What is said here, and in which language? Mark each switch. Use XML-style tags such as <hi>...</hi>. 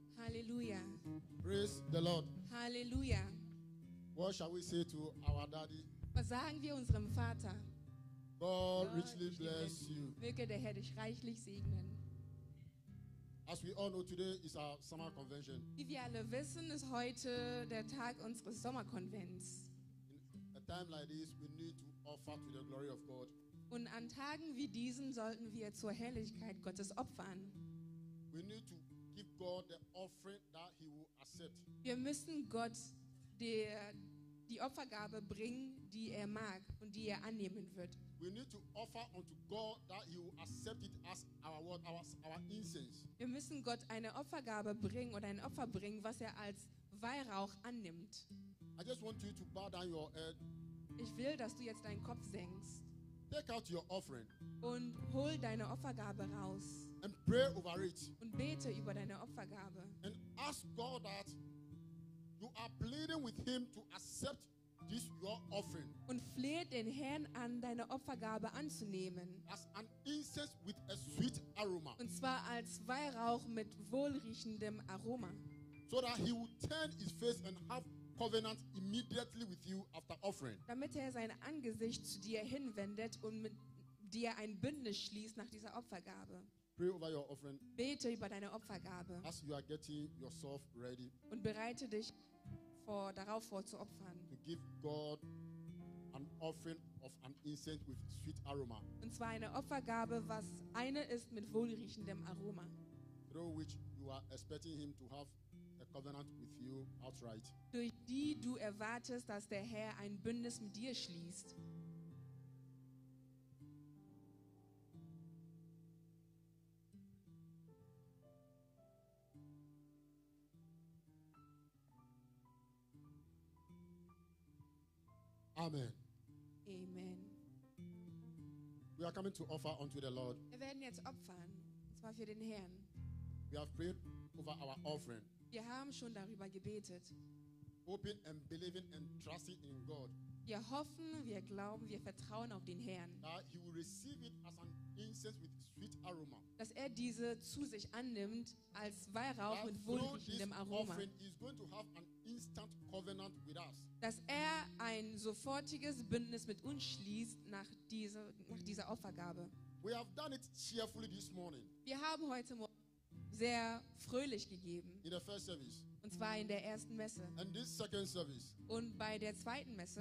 <en>Hallelujah. Praise the Lord. Hallelujah. What shall we say to our daddy?</en> <de>Was sagen wir unserem Vater?</de> <en>God richly bless you.</en> <de>Möge der Herr dich reichlich segnen.</de> <en>As we all know, today is our summer convention.</en> <de>Wie wir alle wissen, ist heute der Tag unseres Sommerkonvents.</de> <en>In a time like this, we need to offer to the glory of God.</en> <de>Und an Tagen wie diesen sollten wir zur Herrlichkeit Gottes opfern.</de> <en>We need to give God the offering that he will accept.</en> <de>Wir müssen Gott die Opfergabe bringen, die er mag und die er annehmen wird.</de> <en>We need to offer unto God that he will accept it as our incense.</en> <de>Wir müssen Gott eine Opfergabe bringen oder ein Opfer bringen, was er als Weihrauch annimmt.</de> <en>I just want you to bow down your head.</en> <de>Ich will, dass du jetzt deinen Kopf senkst.</de> <en>Take out your offering.</en> <de>Und hol deine Opfergabe raus.</de> <en>And pray over it.</en> <de>Und bete über deine Opfergabe.</de> <en>And ask God that you are pleading with him to accept this your offering.</en> <de>Und flehe den Herrn an, deine Opfergabe anzunehmen.</de> <en>As an incense with a sweet aroma.</en> <de>Und zwar als Weihrauch mit wohlriechendem Aroma.</de> <en>So that he will turn his face and have covenant immediately with you after offering.</en> <de>Damit er sein Angesicht zu dir hinwendet und mit dir ein Bündnis schließt nach dieser Opfergabe.</de> <en>Pray over your offering.</en> <de>Bete über deine Opfergabe.</de> <en>As you are getting yourself ready.</en> <de>Und bereite dich darauf vor zu opfern.</de> <en>To give God an offering of an incense with sweet aroma.</en> <de>Und zwar eine Opfergabe, was eine ist mit wohlriechendem Aroma.</de> <en>Through which you are expecting him to have a covenant with you outright.</en> <de>Durch die du erwartest, dass der Herr ein Bündnis mit dir schließt.</de> <en>Amen.</en> <de>Amen.</de> <en>We are coming to offer unto the Lord.</en> <de>Wir werden jetzt opfern, und zwar für den Herrn.</de> <en>We have prayed over our offering.</en> <de>Wir haben schon darüber gebetet.</de> <en>Hoping and believing and trusting in God.</en> <de>Wir hoffen, wir glauben, wir vertrauen auf den Herrn.</de> <en>That he will receive it as an incense with sweet aroma.</en> <de>Dass er diese zu sich annimmt als Weihrauch mit wohlriechendem Aroma.</de> <en>Offering is going to have an instant covenant with us.</en> <de>Dass er ein sofortiges Bündnis mit uns schließt nach dieser Opfergabe.</de> <en>We have done it cheerfully this morning.</en> <de>Wir haben heute Morgen sehr fröhlich gegeben.</de> <en>In the first service.</en> <de>Und zwar in der ersten Messe.</de> <en>And this second service.</en> <de>Und bei der zweiten Messe.</de>